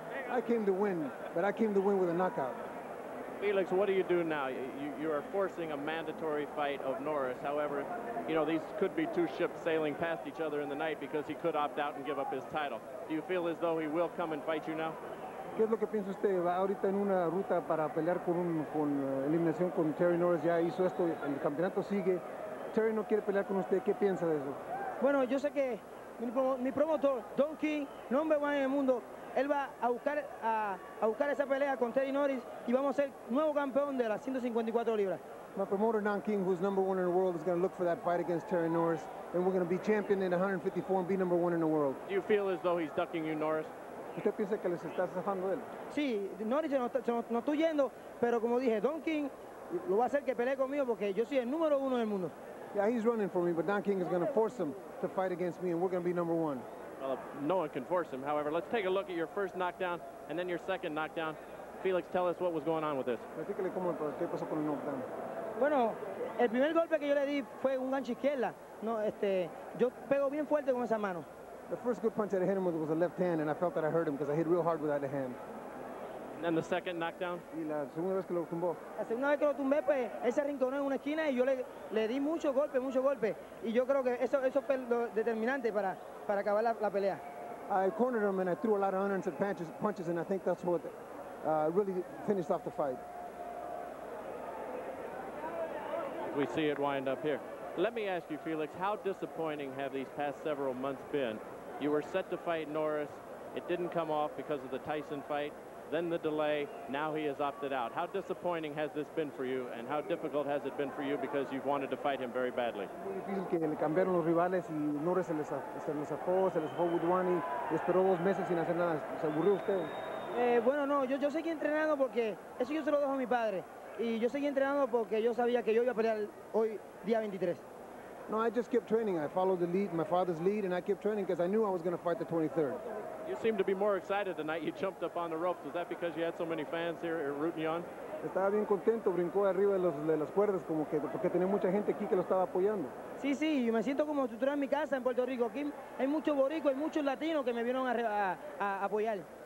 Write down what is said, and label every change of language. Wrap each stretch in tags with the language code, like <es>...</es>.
<en>I came to win, but I came to win with a knockout. Felix, what do you do now? You are forcing a mandatory fight of Norris. However, you know, these could be two ships sailing past each other in the night, because he could opt out and give up his title. Do you feel as though he will come and fight you now?</en> <es>¿Qué es lo que piensa usted? ¿Va ahorita en una ruta para pelear con eliminación con Terry Norris? Ya hizo esto, el campeonato sigue. Terry no quiere pelear con usted. ¿Qué piensa de eso? Bueno, yo sé que mi promotor, Don King,</es> <en>number one</en> <es>en el mundo, él va a buscar esa pelea con Terry Norris, y vamos a ser nuevo campeón de las 154 libras.</es> <en>My promoter, Don King, who's number one in the world, is going to look for that fight against Terry Norris, and we're going to be champion in 154 and be number one in the world. Do you feel as though he's ducking you, Norris?</en> <es>¿Usted piensa que les está zafando él? Sí, Norris no estoy yendo, pero como dije, Don King lo va a hacer que pelee conmigo, porque yo soy el número uno del mundo.</es> <en>Yeah, he's running for me, but Don King is going to force him to fight against me, and we're going to be number one. Well, no one can force him. However, let's take a look at your first knockdown and then your second knockdown. Felix, tell us what was going on with this.</en> <es>Explícale cómo pasó con el knockdown. Bueno, el primer golpe que yo le di fue un gancho izquierda. No, yo pego bien fuerte con esa mano.</es> <en>The first good punch that I hit him with was a left hand, and I felt that I hurt him because I hit real hard with that hand. And the second knockdown?</en> <es>Y la segunda vez que lo tumbó. La segunda vez que lo tumbé, pues, ese rincón en una esquina, y yo le di mucho golpe. Y yo creo que eso fue lo determinante para acabar la pelea.</es> <en>I cornered him, and I threw a lot of unanswered punches, and I think that's what really finished off the fight. We see it wind up here. Let me ask you, Felix, how disappointing have these past several months been? You were set to fight Norris. It didn't come off because of the Tyson fight. Then the delay, now he has opted out. How disappointing has this been for you, and how difficult has it been for you, because you've wanted to fight him very badly?</en> <es>Muy difícil que le cambiaron los rivales, y Norris se les afó Woodwani, y esperó dos meses sin hacer nada. ¿Se aburrió usted? Bueno, no, yo seguí entrenando, porque eso yo se lo dejo a mi padre, y yo seguí entrenando porque yo sabía que yo iba a pelear hoy, día 23.</es> <en>No, I just kept training. I followed the lead, my father's lead, and I kept training because I knew I was going to fight the 23rd. You seem to be more excited tonight. You jumped up on the ropes. Was that because you had so many fans here rooting you on?</en> <es>Estaba bien contento. Brincó arriba de las cuerdas, como que porque tenía mucha gente aquí que lo estaba apoyando. Sí, sí. Y me siento como si estuviera en mi casa en Puerto Rico. Aquí hay muchos boricuas, hay muchos latinos que me vieron a apoyar.</es>